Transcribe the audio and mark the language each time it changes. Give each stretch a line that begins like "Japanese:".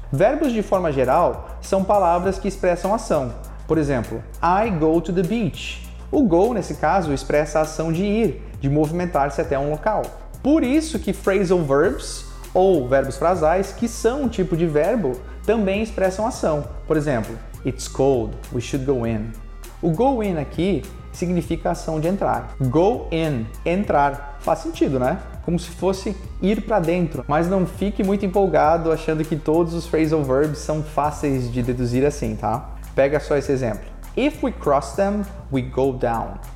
Portuguese: Verbos, de forma geral, são palavras que expressam ação. Por exemplo,
English: I go to the beach.
Portuguese: O go, nesse caso, expressa a ação de ir, de movimentar-se até um local. Por isso que phrasal verbs, ou verbos frasais, que são um tipo de verbo, também expressam ação. Por exemplo,
English: it's cold, we should go in.
Portuguese: O go in aqui significa ação de entrar. Go in, entrar. Faz sentido, né? Como se fosse ir para dentro. Mas não fique muito empolgado achando que todos os phrasal verbs são fáceis de deduzir assim, tá? Pega só esse exemplo.
English: If we cross them, we go down.